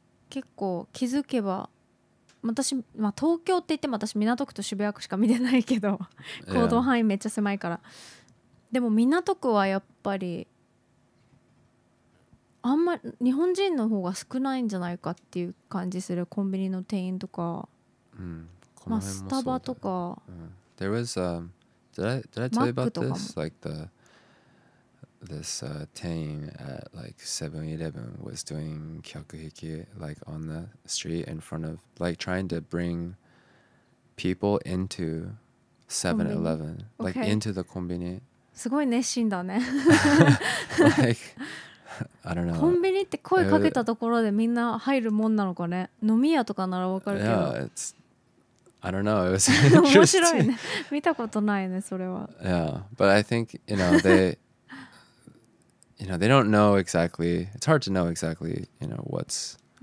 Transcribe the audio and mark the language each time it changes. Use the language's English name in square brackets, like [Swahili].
[Japanese] 結構気づけば、私、まあ、東京って言っても私港区と渋谷区しか見てないけど、行動範囲めっちゃ狭いから。 [English] Yeah. [Japanese] でも港区はやっぱり、あんま日本人の方が少ないんじゃないかっていう感じするコンビニの店員とか、うん、まあスタバとか、うん、 [English] There was did I tell you about this? Like this 店員 at like 7-Eleven was doing 客引き like on the street in front of like trying to bring people into 7-Eleven like into the コンビニ。 [Japanese] すごい熱心だね。 [English] Like,I don't know. [Japanese] コンビニって声かけたところでみんな入るもんなのかね。飲み屋とかならわかるけど。 [English] Yeah, it's. I don't know. It was interesting. [Japanese] 面白いね。見たことないね、それは。 [English] Yeah, but I think you know they, you know they don't know exactly. It's hard to know exactly, you know what's.